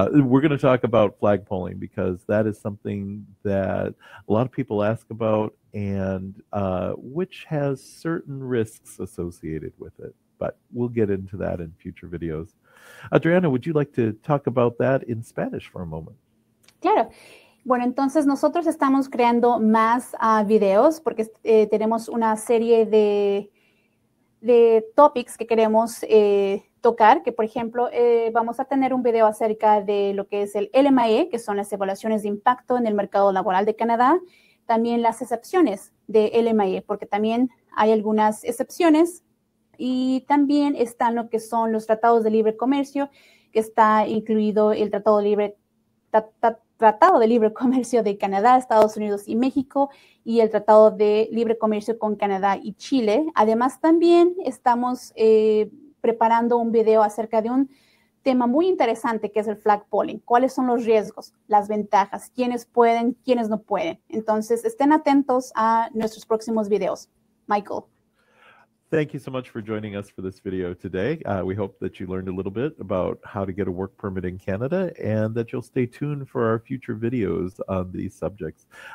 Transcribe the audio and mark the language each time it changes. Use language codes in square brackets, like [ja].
[en] We're going to talk about flag pulling because that is something that a lot of people ask about and which has certain risks associated with it. But we'll get into that in future videos. Adriana, would you like to talk about that in Spanish for a moment? [es] Claro. Bueno, entonces nosotros estamos creando más videos porque tenemos una serie de topics que queremos tocar, que por ejemplo vamos a tener un video acerca de lo que es el LMIA, que son las evaluaciones de impacto en el mercado laboral de Canadá, también las excepciones de LMIA, porque también hay algunas excepciones. Y también están lo que son los tratados de libre comercio, que está incluido el Tratado de Libre Comercio de Canadá, Estados Unidos y México, y el Tratado de Libre Comercio con Canadá y Chile. Además, también estamos preparando un video acerca de un tema muy interesante, que es el flag pulling. ¿Cuáles son los riesgos, las ventajas, quiénes pueden, quiénes no pueden? Entonces, estén atentos a nuestros próximos videos. Michael. [en] Thank you so much for joining us for this video today. We hope that you learned a little bit about how to get a work permit in Canada and that you'll stay tuned for our future videos on these subjects.